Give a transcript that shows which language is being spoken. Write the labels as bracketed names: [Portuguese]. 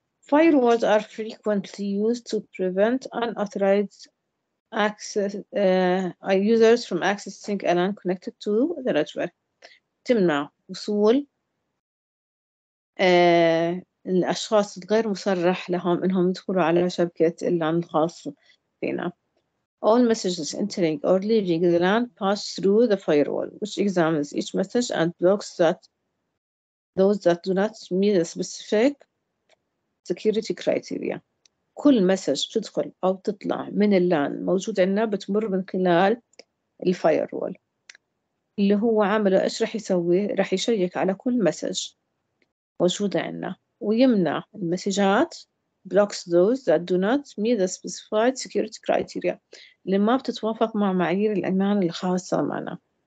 [English] Firewalls are frequently used to prevent unauthorized access, users from accessing LAN connected to the network. [Arabic] تمنع وصول الأشخاص الغير مصرح لهم إنهم يدخلوا على شبكة اللان الخاص فينا. [English] All messages entering or leaving the LAN pass through the firewall, which examines each message and blocks that those that do not meet the specific security criteria. [Arabic] كل مسج تدخل أو تطلع من اللان موجود عندنا بتمر من خلال الفايروول. اللي هو عمله ايش راح يسوي؟ راح يشيك على كل مسج موجود عندنا ويمنع المسجات [English] blocks those that do not meet the specified security criteria [Arabic] اللي ما بتتوافق مع معايير الامان الخاصه معنا.